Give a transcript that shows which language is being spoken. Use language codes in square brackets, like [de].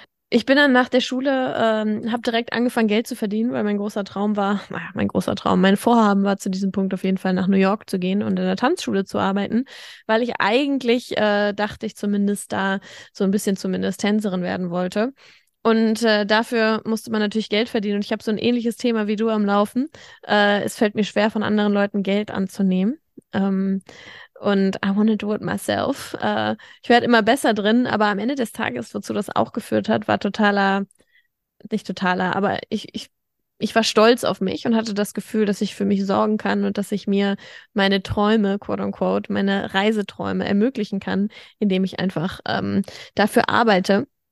[de] Ich bin dann nach der Schule, habe direkt angefangen, Geld zu verdienen, weil mein großer Traum war, naja, mein großer Traum, mein Vorhaben war zu diesem Punkt auf jeden Fall nach New York zu gehen und in der Tanzschule zu arbeiten, weil ich eigentlich, dachte ich zumindest da, so ein bisschen zumindest Tänzerin werden wollte. Und dafür musste man natürlich Geld verdienen. Und ich habe so ein ähnliches Thema wie du am Laufen. Es fällt mir schwer, von anderen Leuten Geld anzunehmen. [en] Und I want to do it myself. [de] Ich werde immer besser drin, aber am Ende des Tages, wozu das auch geführt hat, war totaler, nicht totaler, aber ich war stolz auf mich und hatte das Gefühl, dass ich für mich sorgen kann und dass ich mir meine Träume, quote unquote, meine Reiseträume ermöglichen kann, indem ich einfach dafür arbeite.